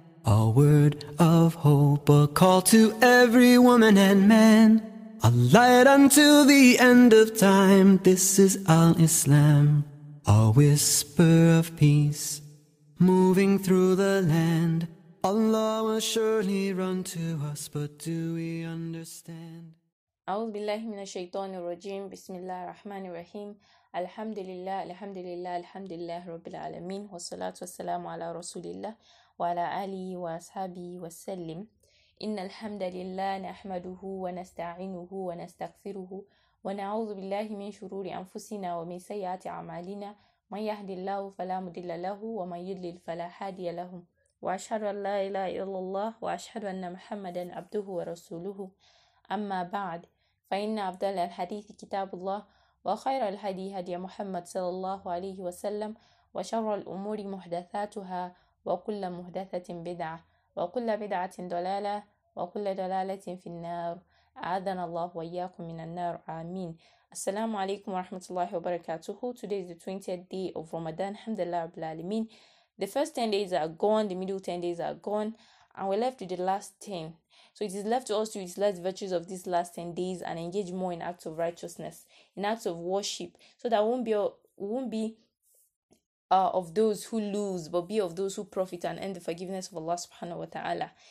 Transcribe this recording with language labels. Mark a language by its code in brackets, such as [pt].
[en] A word of hope, a call to every woman and man. A light until the end of time, this is Al-Islam. A whisper of peace moving through the land. Allah will surely run to us, but do we understand? [ar] أعوذ بالله من الشيطان الرجيم. بسم الله الرحمن الرحيم. الحمد لله الحمد لله الحمد لله رب العالمين والصلاة والسلام على رسول الله وعلى آله وأصحابه وسلم. إن الحمد لله نحمده ونستعينه ونستغفره ونعوذ بالله من شرور أنفسنا ومن سيئات أعمالنا. من يهد الله فلا مضل له ومن يضلل فلا هادي له. وأشهد أن لا إله إلا الله وأشهد أن محمدا عبده ورسوله. أما بعد فإن أفضل الحديث كتاب الله وخير الحديث هدي محمد صلى الله عليه وسلم وشر الأمور محدثاتها وكل محدثة بدعة وكل بدعة ضلالة وكل ضلالة في النار أعاذنا الله وإياكم من النار آمين. السلام عليكم ورحمة الله وبركاته. [en] Today is the 20th day of Ramadan. [ar] الحمد لله رب العالمين. [en] The first 10 days are gone, the middle 10 days are gone, and we're left with the last 10. So it is left to us to utilize the virtues of these last 10 days and engage more in acts of righteousness, in acts of worship, so that we won't be of those who lose, but be of those who profit and earn the forgiveness of Allah subhanahu wa ta'ala.